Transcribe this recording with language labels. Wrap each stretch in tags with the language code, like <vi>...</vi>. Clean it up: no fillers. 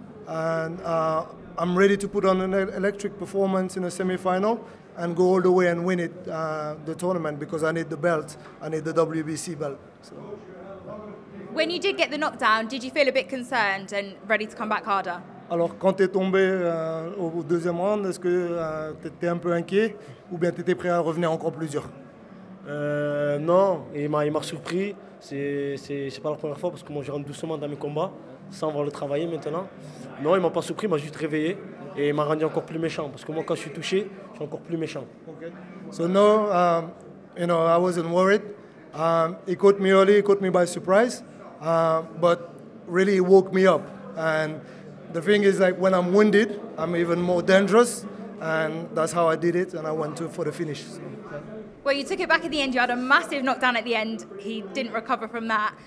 <en>And I'm ready to put on an electric performance in a semi-final and go all the way and win it, the tournament, because I need the belt. I need the WBC belt. So. When you did get the knockdown, did you feel a bit concerned and ready to come back harder?</en> <fr>Alors, quand tu es tombé au deuxième round, est-ce que tu étais un peu inquiet ou bien tu étais prêt à revenir encore plus dur? Non, il m'a surpris. C'est pas la première fois parce que moi je rentre doucement dans mes combats sans avoir le travaillé maintenant. Non, il m'a pas surpris, il m'a juste réveillé et il m'a rendu encore plus méchant parce que moi quand je suis touché, je suis encore plus méchant.</fr> <en>Okay. So, no, you know, I wasn't worried. He caught me early, he caught me by surprise, but really he woke me up. And the thing is, like, when I'm wounded, I'm even more dangerous, and that's how I did it, and I went for the finish. Well, you took it back at the end, you had a massive knockdown at the end, he didn't recover from that.</en>